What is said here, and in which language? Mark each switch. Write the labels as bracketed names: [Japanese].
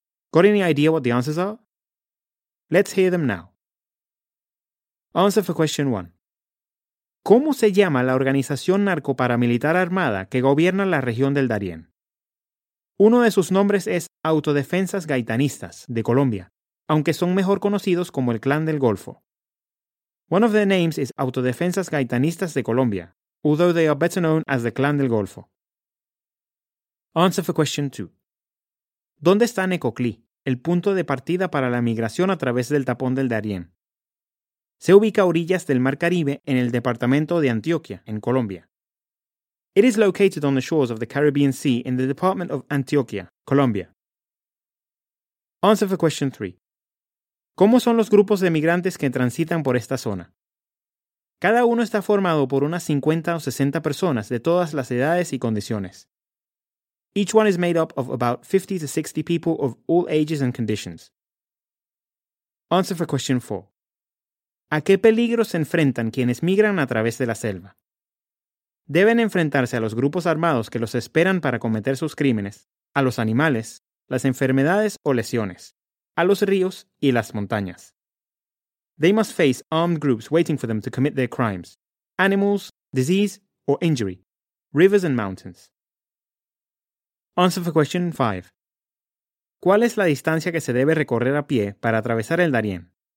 [English] Got any idea what the answers are? Let's hear them now. Answer for question 1. [Spanish] ¿Cómo se llama la organización narcoparamilitar armada que gobierna la región del Darién? Uno de sus nombres es Autodefensas Gaitanistas de Colombia, aunque son mejor conocidos como el Clan del Golfo. [English] One of their names is Autodefensas Gaitanistas de Colombia, although they are better known as the Clan del Golfo. Answer for question 2. [Spanish] ¿Dónde está Necoclí, el punto de partida para la migración a través del tapón del Darién? Se ubica a orillas del Mar Caribe en el departamento de Antioquia, en Colombia. [English] It is located on the shores of the Caribbean Sea in the department of Antioquia, Colombia. Answer for question 3. [Spanish] ¿Cómo son los grupos de migrantes que transitan por esta zona? Cada uno está formado por unas 50 o 60 personas de todas las edades y condiciones. [English] Each one is made up of about 50 to 60 people of all ages and conditions. Answer for question 4. [Spanish] ¿A qué peligros se enfrentan quienes migran a través de la selva? Deben enfrentarse a los grupos armados que los esperan para cometer sus crímenes, a los animales, las enfermedades o lesiones, a los ríos y las montañas. [English] They must face armed groups waiting for them to commit their crimes, animals, disease or injury, rivers and mountains. Answer for question 5. [Spanish] ¿Cuál es la distancia que se debe recorrer a pie para atravesar el Darién?